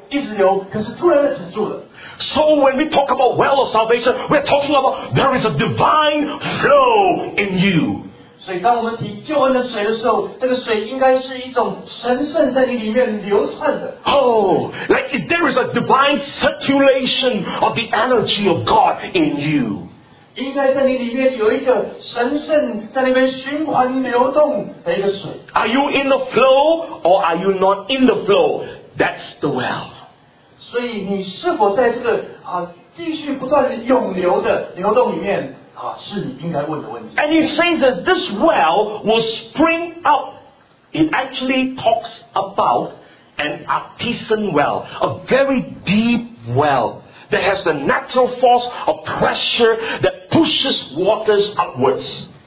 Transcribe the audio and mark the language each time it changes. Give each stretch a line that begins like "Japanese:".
Chinese: 所以在五章所描写这个血漏的妇人，她原来是血一直流，可是突然的止住了。
English: So when we talk about well of salvation, we are talking about there is a divine flow in you.
Chinese: 所以当我们提救恩的水的时候，这个水应该是一种神圣在你里面流窜的。
English: Oh, like if there is a divine circulation of the energy of God in you.
Chinese: 应该在你里面有一个神圣在那边循环流动的一个水。
English: Are you in the flow or are you not in the flow? That's the well.
Chinese: 所以你是否在这个, 啊, 继续不断涌流的流动里面, 啊, 是你应该问的问题。
English: And he says that this well will spring out. It actually talks about an artesian well, a very deep well that has the natural force of pressure that pushes waters upwards.